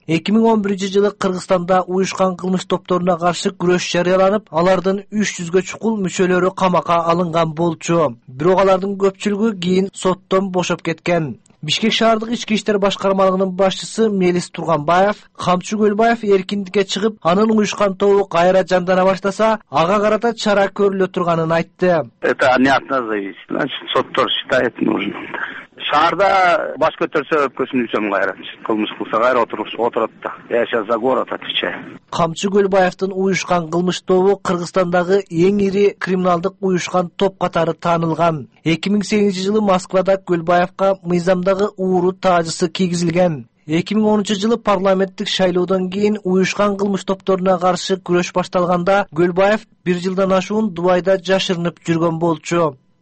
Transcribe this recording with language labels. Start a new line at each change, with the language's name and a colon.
Kyrgyz: 2011 жылы Кыргызстанда уюшкан кылмыш топторуна каршы күрөш жарыяланып, алардын 300 чукул мүчөлөрү камакка алынган болчу. Бирок алардын көпчүлүгү кийин соттон бошоп кеткен. Бишкек шаардык ички иштер башкармалыгынын башчысы Мелис Турганбаев, Камчы Көлбаев эркиндикке чыгып, анын уюшкан тобу кайра жандана баштаса, ага карата чара көрүлө турганын айтты.
Russian: Это не от нас зависит. Значит,
Kyrgyz: соттор
Russian: считает нужным.
Kyrgyz: Шаарда баш көтөрсө өпкөсүн үйсөм кайра. Кылмыш кылса кайра отурат да.
Russian: Я сейчас за город отвечаю.
Kyrgyz: Камчы Көлбаевдин уюшкан кылмыш тобу Кыргызстандагы эң ири криминалдык уюшкан топ катары таанылган. 2008 жылы Москвада Көлбаевка мыйзамдагы ууру таажысы кийгизилген. 2010 жылы парламенттик шайлоодон кийин уюшкан кылмыш топторуна каршы күрөш башталганда Көлбаев бир жылдан ашуун Дубайда жашырынып жүргөн болчу.